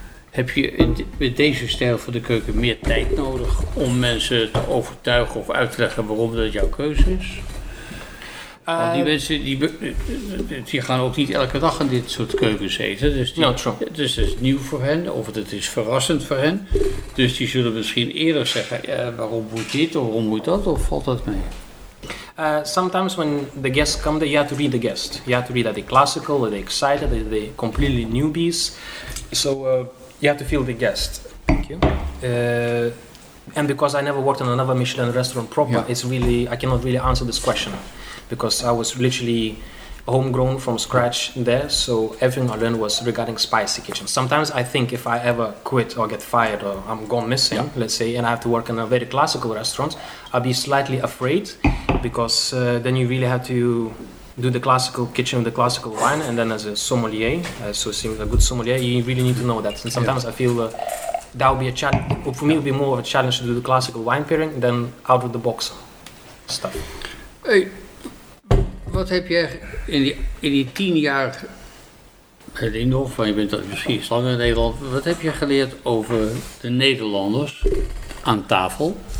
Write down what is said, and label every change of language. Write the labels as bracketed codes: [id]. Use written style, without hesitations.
[nl] Heb je met deze stijl van de keuken meer tijd nodig om mensen te overtuigen of uit te leggen waarom dat jouw keuze is? Want die mensen die gaan ook niet elke dag in dit soort keukens eten. Dus, dus het is nieuw voor hen, of het is verrassend voor hen. Dus die zullen misschien eerder zeggen, waarom moet dit, of waarom moet dat, of valt dat mee? [en] Sometimes when the guests come there, you have to read the guest. You have to read that they're classical, that they're excited, that they're completely newbies. So you have to feel the guest. Thank you. And because I never worked in another Michelin restaurant proper, it's really, I cannot really answer this question. Because I was literally homegrown from scratch there, so everything I learned was regarding spicy kitchen. Sometimes I think if I ever quit or get fired or I'm gone missing, let's say, and I have to work in a very classical restaurant, I'd be slightly afraid, because then you really have to do the classical kitchen, the classical wine, and then as a sommelier, so seeing a good sommelier, you really need to know that. And sometimes I feel that would be a challenge. For me, it would be more of a challenge to do the classical wine pairing than out of the box stuff. Hey. [nl] Wat heb jij in die 10 jaar in Lindenhof, want je bent misschien lang in Nederland, wat heb je geleerd over de Nederlanders aan tafel?